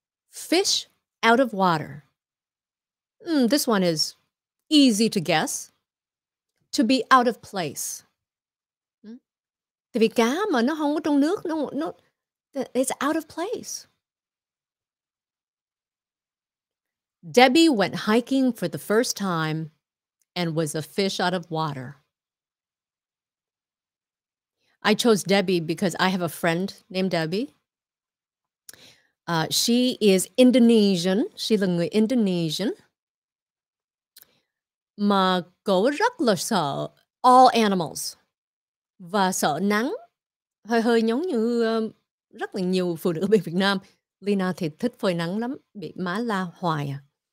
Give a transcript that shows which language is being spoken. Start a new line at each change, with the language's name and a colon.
English: Fish out of water. This one is easy to guess. To be out of place.
Vietnamese: Tại vì cá mà nó không có trong nước, nó...
English: It's out of place. Debbie went hiking for the first time and was a fish out of water. I chose Debbie because I have a friend named Debbie. She is Indonesian.
Vietnamese: She là người Indonesian. Mà cô rất là sợ
English: all animals.
Vietnamese: Và sợ nắng. Hơi hơi giống như... rất là nhiều phụ nữ bên Việt Nam. Lina thì thích phơi nắng lắm, bị má la hoài à.